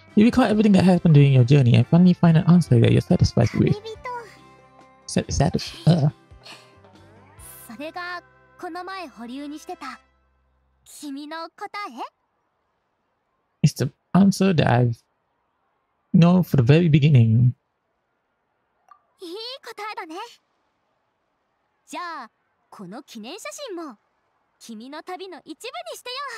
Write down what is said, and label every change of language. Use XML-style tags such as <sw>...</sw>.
<en>You recall everything that happened during your journey and finally find an answer that you're satisfied with.</en> <ja>それがこの前保留にしてた君の答え。</ja> <en>It's the answer that I've known from the very beginning.</en> <ja>いい答えだね。じゃあこの記念写真も君の旅の一部にしてよ。</ja>